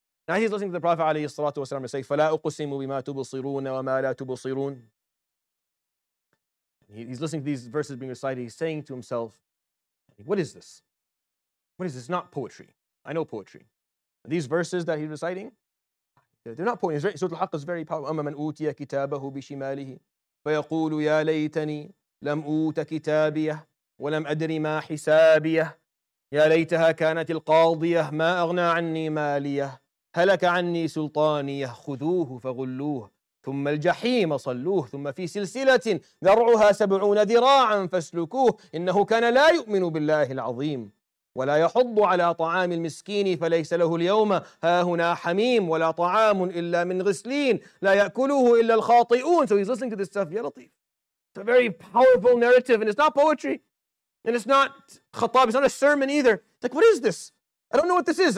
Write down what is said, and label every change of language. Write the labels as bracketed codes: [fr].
[en] Now he's listening to the Prophet alayhi salatu wasalam say, [ar] فَلَا أُقُسِمُ بِمَا تُبُصِرُونَ وَمَا لَا تُبُصِرُونَ [en] He's listening to these verses being recited. He's saying to himself, what is this? What is this? Not poetry. I know poetry. And these verses that he's reciting, they're not poetry. Surah Al-Haqq is very powerful. [ar] أَمَّا مَنْ أُوْتِيَ كِتَابَهُ بِشِمَالِهِ فَيَقُولُ يَا لَيْتَنِي لَمْ أُوْتَ كِتَابِيَهْ وَلَمْ أَدْرِ مَا حِسَابِيَهْ يَا لَيْتَهَا كَانَتِ الْقَاضِيَهْ مَا أَغْنَى عَنِّي مَالِيَهْ هَلَكَ عَنِّي سُلْطَانِيَهْ خُذُوهُ فَغُلُّوهُ ثم الجحيم صلوه ثم في سلسلة ذرعها 70 ذراعا فاسلكوه إنه كان لا يؤمن بالله العظيم ولا يحض على طعام المسكين فليس له اليوم هاهنا حميم ولا طعام إلا من غسلين لا يأكله إلا الخاطئون [en] So he's listening to this stuff. Ya Latif. It's a very powerful narrative and it's not poetry and it's not khatab, it's not a sermon either. It's like, what is this? I don't know what this is.